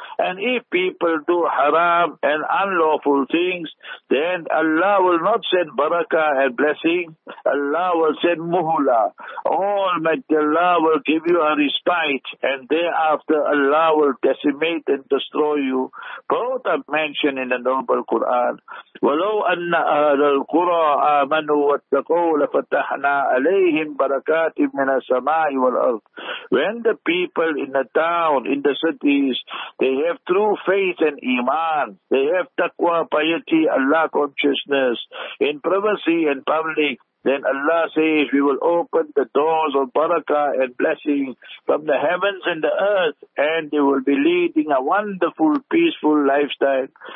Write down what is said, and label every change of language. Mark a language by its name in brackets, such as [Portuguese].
[English] And if people do haram and unlawful things, then Allah will not send barakah and blessing. Allah will send muhula. Almighty Allah will give you a respite, and thereafter Allah will decimate and destroy you. Both are mentioned in the Noble Quran. [Arabic] أهل القرى آمنوا واتقوا لفتحنا عليهم بركات من السماء والأرض. [English] When the people in the town, in the cities, they have true faith and iman, they have taqwa, piety, Allah consciousness, in privacy and public, then Allah says, we will open the doors of barakah and blessing from the heavens and the earth, and they will be leading a wonderful, peaceful lifestyle.